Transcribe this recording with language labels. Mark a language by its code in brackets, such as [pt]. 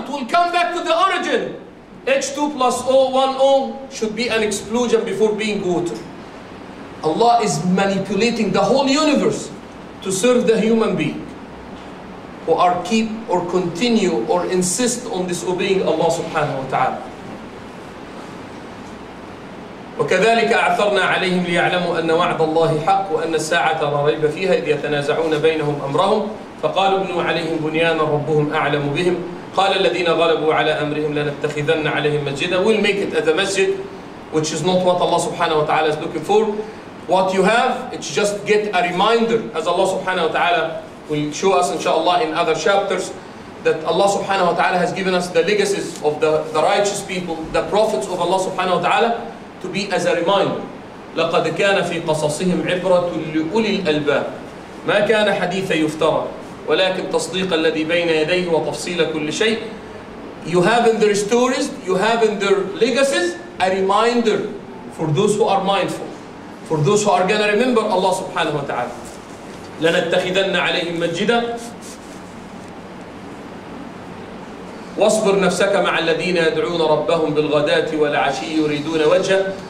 [en] It will come back to the origin. H2 plus O1O should be an explosion before being water. Allah is manipulating the whole universe to serve the human being who are keep or continue or insist on disobeying Allah subhanahu wa ta'ala. [ar] وكذلك أعثرنا عليهم ليعلموا أن وعد الله حق وأن الساعة لا ريب فيها إذ يتنازعون بينهم أمرهم فقالوا ابنوا عليهم بنيانا ربهم أعلم بهم قال الذين غلبوا على أمرهم لنتخذن عليهم مسجدا. [en] We'll make it as a masjid, which is not what Allah subhanahu wa ta'ala is looking for. What you have, it's just get a reminder, as Allah subhanahu wa ta'ala will show us inshallah in other chapters. that Allah subhanahu wa ta'ala has given us the legacies of the righteous people, the prophets of Allah subhanahu wa ta'ala, to be as a reminder. [ar] لَقَدْ كَانَ فِي قَصَصِهِمْ عِبْرَةٌ لِأُولِي الْأَلْبَابِ مَا كَانَ حَدِيثًا يُفْتَرَى وَلَكِنْ تَصْدِيقَ الَّذِي بَيْنَ يَدَيْهِ وَتَفْصِيلَ كُلِّ شَيْءٍ. [en] You have in their stories, you have in their legacies, a reminder for those who are mindful, for those who are going to remember Allah subhanahu wa ta'ala. [ar] لَنَتَّخِذَنَّ عَلَيْهِمْ مَجِّدًا واصبر نفسك مع الذين يدعون ربهم بالغداة والعشي يريدون وجهه.